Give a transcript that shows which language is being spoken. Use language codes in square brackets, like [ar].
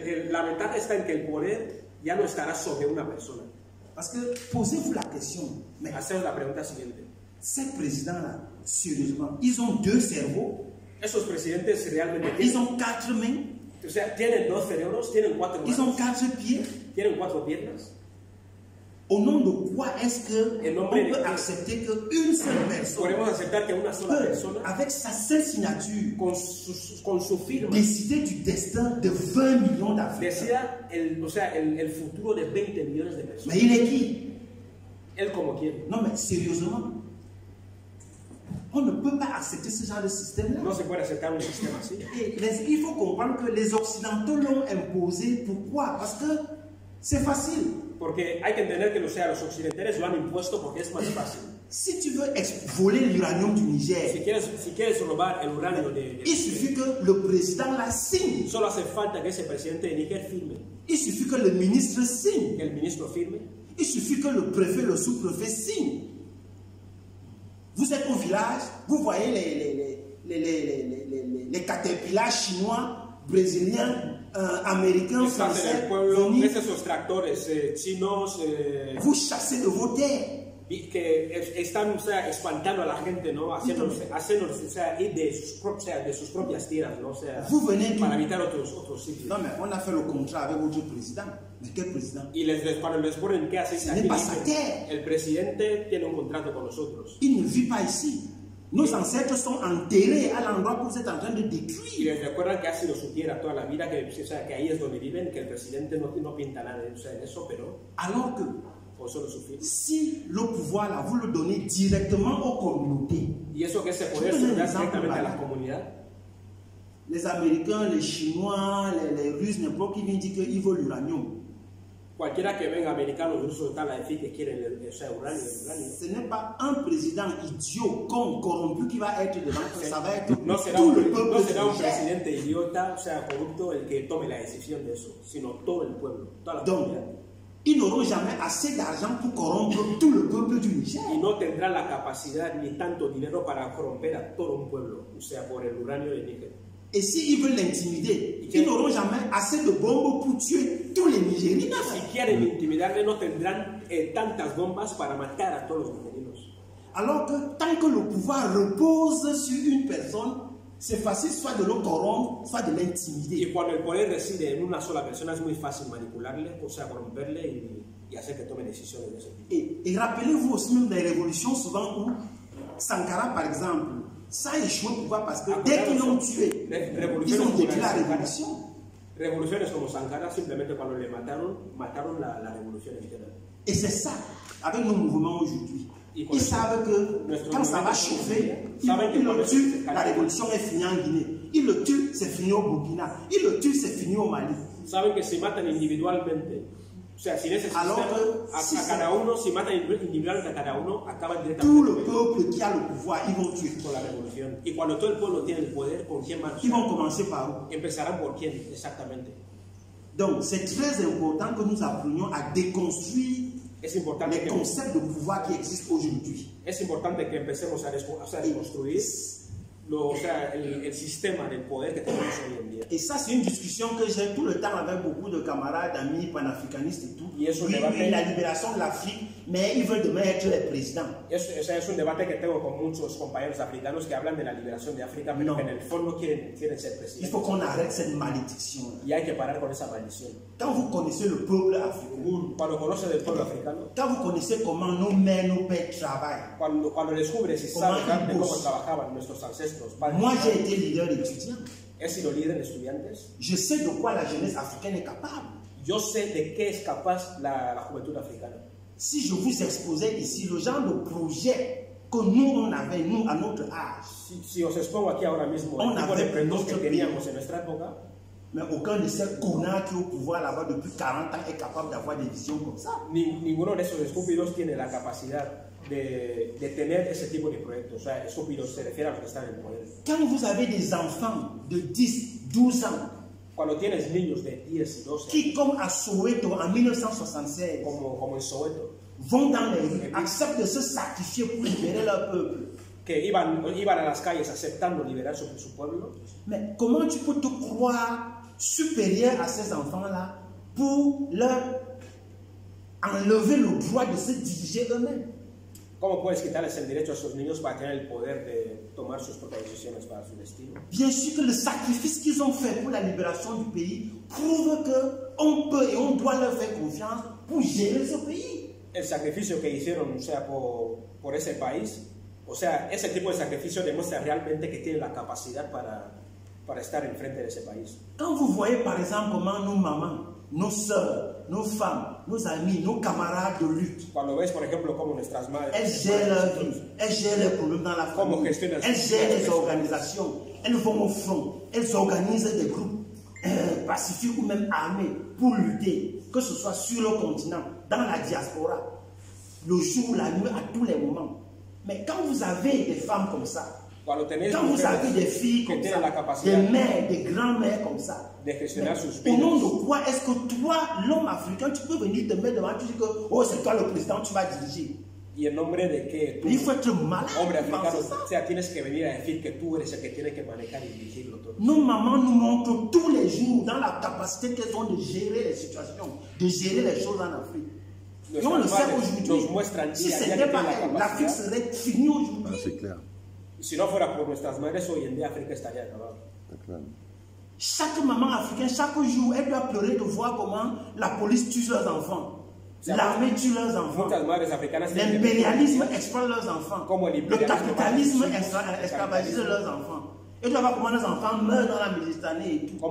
[es] la ventaja está en que el poder ya no estará sobre una persona. [fr] Parce que posez-vous la question. Mais [es] hacemos la pregunta siguiente. [fr] Ces présidents là, sérieusement, ils ont deux cerveaux. [es] Esos presidentes realmente [fr] ils ont quatre mains. [es] O sea, tienen dos cerebros, tienen cuatro manos. [fr] Ils ont quatre pieds. [es] Tienen cuatro piernas. [fr] Au nom de quoi est-ce que on peut accepter que une seule personne, [es] podemos aceptar que una sola persona, [fr] avec sa seule signature, [es] con su firma, [fr] décider du destin de 20 millions d'Africains? [es] Decida el futuro de 20 millones de personas. [fr] Mais il est qui? [es] Él como quién? [fr] Non, mais sérieusement, on ne peut pas accepter ce genre de système-là. [es] No se puede aceptar un sistema así. [fr] Il faut comprendre que les Occidentaux l'ont imposé. Pourquoi? Parce que c'est facile. [es] Porque hay que entender que los occidentales lo han impuesto porque es más fácil. [fr] Si tu veux voler l'uranium du Niger, [es] si quieres robar el uranio de [fr] il suffit que le président la signe. [es] Solo hace falta que ese presidente de Niger firme. [fr] Il suffit que le ministre signe. [es] Que el ministro firme. [fr] Il suffit que le préfet, le sous-préfet signe. Vous êtes au village, vous voyez les caterpillars chinois, brésiliens, américains, français, venir. [es] Ves esos tractores chinos. [fr] Vous chassez de vos terres. [es] Que están, o sea, espantando a la gente, ¿no? Haciéndose, o sea, ir de sus propias tierras, ¿no? O sea, [fr] vous venez [es] para habitar otros sitios. [fr] No, mais on a fait le contrat avec votre président. Mais quel président? [es] Y les ponen, ¿qué haces aquí? [fr] Ce n'est pas sa terre. [es] El presidente tiene un contrato con nosotros. [fr] Il ne vit pas ici. Nos ancêtres sont enterrés à l'endroit que vous êtes en train de décrire. [es] Y les recuerdan que ha sido su tierra toda la vida, que ahí es donde viven, que el presidente no pinta nada de eso, pero... [fr] Alors que, si le pouvoir là, vous le donnez directement aux communautés, [es] y eso que ese poder se da directamente a la comunidad, [fr] les Américains, les Chinois, les Russes, n'importe qui vient dire qu'ils veulent l'uranium. [es] Cualquiera que venga americano o ruso está la decir que quiere el uranio. [fr] Ce n'est pas un président idiot, con, corrompu, qui va être devant, que ça va être [es] no será [fr] tout [es] un, no será un presidente idiota, o sea, corrupto, el que tome la decisión de eso, sino todo el pueblo, toda la comunidad. [fr] Ils n'auront jamais assez d'argent pour corrompre tout le peuple du Niger. [es] Y no tendrá la capacidad ni tanto dinero para corromper a todo un pueblo, o sea, por el uranio de Níger. [fr] Et s'ils si veulent l'intimider, ils n'auront jamais assez de bombes pour tuer tous les Nigériens. [es] Si quieren intimidarle, no tendrán tantas bombas para matar a todos los nigerinos. [fr] Alors que tant que le pouvoir repose sur une personne, c'est facile soit de le corrompre, soit de l'intimider. [es] Y cuando el poder reside en una sola persona, es muy fácil manipularle, o sea, corromperle y hacer que tome decisiones de ese tipo. [fr] Et rappelez-vous aussi même des révolutions souvent où Sankara, par exemple, ça échoue, pourquoi? Parce que dès qu'ils l'ont tué, ils ont détruit la révolution. Révolutions comme Sankara, [es] simplement quand ils les mataron la révolution entière. [fr] Et c'est ça, avec nos mouvements aujourd'hui. Ils savent que quand ça va chauffer, ils le tuent, la révolution est finie en Guinée. Ils le tuent, c'est fini au Burkina. Ils le tuent, c'est fini au Mali. Ils savent que s'ils matent individuellement, [es] o sea, sin ese sistema, si a cada uno, si matan individualmente a cada uno, acaban directamente. [fr] Tout le peuple qui a le pouvoir, ils vont tuer. [es] Con la revolución. Y cuando todo el pueblo tiene el poder, ¿con quién marchan? [fr] Ils vont commencer par où? [es] Empezarán por quién, exactamente. [fr] Donc, c'est très important que nous apprenions à déconstruire [es] es importante [fr] les concepts de pouvoir qui existent aujourd'hui. [es] Es importante que empecemos a desconstruir el sistema del poder que tenemos hoy en día. Y esa es una discusión que [fr] j'ai [es] todo el tiempo con muchos camaradas, amigos panafricanistas y todo. Y eso es la liberación de l'Afrique, pero ellos quieren [fr] demain [es] ser el presidente. Es un debate que tengo con muchos compañeros africanos que hablan de la liberación de África, pero que en el fondo quieren ser presidente. [fr] Il faut qu'on arrête cette malédiction. [es] Y hay que parar con esa maldición. [fr] Quand vous connaissez le peuple africain, [es] cuando conoces el pueblo africano, [fr] quand vous connaissez comment nos mères, nos pères travaillent, [es] cuando descubres y sabes cómo trabajaban nuestros ancestros. [fr] Moi j'ai été leader étudiant. [es] He sido líder de estudiantes. [fr] Je sais de quoi la jeunesse africaine est capable. [es] Yo sé de qué es capaz la juventud africana. [fr] Si je vous exposais ici le genre de projet que nous on avait nous à notre âge. [es] Si os expongo aquí ahora mismo. [fr] On avait [es] prendos que teníamos en nuestra época. [fr] Mais aucun de ces connards qui est au pouvoir là-bas depuis 40 ans est capable d'avoir des visions comme ça. [es] Ninguno de esos estúpidos tiene la capacidad de tener ese tipo de proyectos. O sea, estúpidos se refiere a los que están en poder. [fr] Quand vous avez des enfants de 10, 12 ans, [es] cuando tienes niños de 10, 12 ans, [fr] qui comme à Soweto en 1976, [es] como en Soweto, [fr] vont dans les rues, acceptent de se sacrifier pour libérer leur peuple. [es] Que iban a las calles aceptando liberar sobre su pueblo. [fr] Mais comment tu peux te croire supérieur à ces enfants-là pour leur enlever le droit de se diriger eux-mêmes? [es] ¿Cómo puedes quitarles el derecho a sus niños para tener el poder de tomar sus propias decisiones para su destino? [fr] Bien sûr que le sacrifice qu'ils ont fait pour la libération du pays prouve que on peut et on doit leur faire confiance pour gérer ce pays. [es] El sacrificio que hicieron, o sea, por ese país, o sea, ese tipo de sacrificio demuestra realmente que tienen la capacidad para estar enfrente de ese país. [fr] Quand vous voyez, par exemple, comment nos mamás, nos sœurs, nos femmes, nos amis, nos camarades de lutte. [es] Cuando ves, por ejemplo, cómo nuestras madres. [fr] Elles gèrent leur vie. Elles gèrent les problèmes dans la famille. Elles gèrent les organisations. Elles vont au front. Elles organisent des groupes pacifiques ou même armés pour lutter, que ce soit sur le continent, dans la diaspora, le jour, la nuit, à tous les moments. Mais quand vous avez des femmes comme ça, quand vous avez des filles comme ça, des mères, des grands-mères comme ça, [es] de gestionar sus [fr] pays. Au nom de quoi est-ce que toi, l'homme africain, tu peux venir te mettre devant, tu dis que oh, c'est toi le président, tu vas diriger. [es] Y en nombre de que tu, [fr] il faut être malade. [es] Hombre africain, o sea, tienes que venir a decir que tú eres el que tiene que manejar y dirigirlo todo. [fr] Nos mamans nous montrent tous les jours dans la capacité qu'elles ont de gérer les situations, de gérer les choses en Afrique. Et on le sait aujourd'hui. Si ce n'était pas elle, l'Afrique serait finie aujourd'hui. Ah, c'est clair. [es] Si no fuera por nuestras madres, hoy en día África estaría acabada. [fr] Chaque maman africaine, chaque jour, elle doit pleurer de voir comment la police tue leurs enfants. L'armée tue leurs enfants. L'impérialisme exploite leurs enfants. Le capitalisme esclavagise leurs enfants. Elle doit voir comment leurs enfants meurent dans la Méditerranée et tout.